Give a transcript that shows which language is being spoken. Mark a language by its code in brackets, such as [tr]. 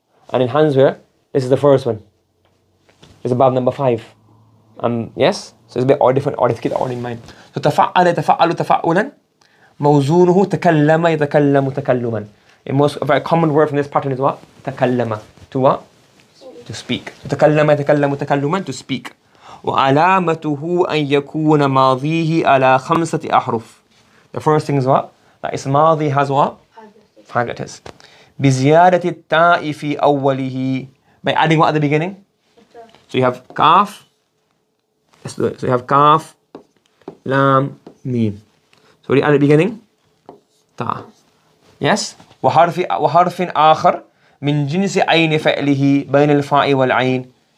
[en] And in hands here, this is the first one. It's bab number 5. Yes, so it's a bit all different order, keep the order in mind. [ar] So تفعل يتفعل تفعلا موزونه تكلم يتكلم تكلما. [en] A most a very common word from this pattern is what? تكلم. To what? To speak. [ar] تكلم يتكلم تكلما, [en] to speak. [ar] وعلامته أن يكون ماضيه على خمسة أحرف. [en] The first thing is what? That is ماضي has what? Five [ar] letters. بزيادة التاء في أوله. [en] By adding what at the beginning? So you have كاف. Let's do it. So you have كاف, لام, ميم. So what do you add at the beginning? تاء. Yes? [ar] وحرف آخر من جنس عين فعله بين الفاء والعين.